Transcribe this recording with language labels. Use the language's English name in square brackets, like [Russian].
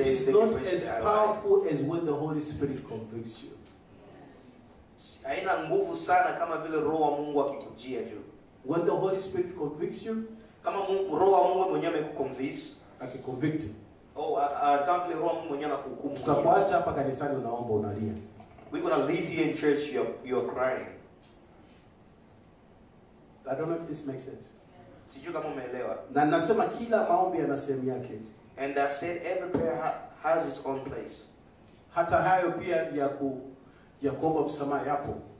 [English] it is not as powerful as when the Holy Spirit convicts you. [Swahili] Aina nguvu sana kama vile roho wa Mungu akikujia hivyo. [English] When the Holy Spirit convicts you, [Swahili] kama roho wa Mungu mwenyewe amekukonvince, akikonvict. Kama vile roho wa Mungu mwenyewe anakuhukumu. Tutakuacha hapa kanisani unaomba unalia. [English] We're going to leave you in church, you're crying. I don't know if this makes sense. [Swahili] Sijui kama umeelewa. Na nasema kila maombi yana sehemu yake. [English] And I said every prayer has its own place. [Swahili] Hata hayo pia Yakobo msamaha yapo.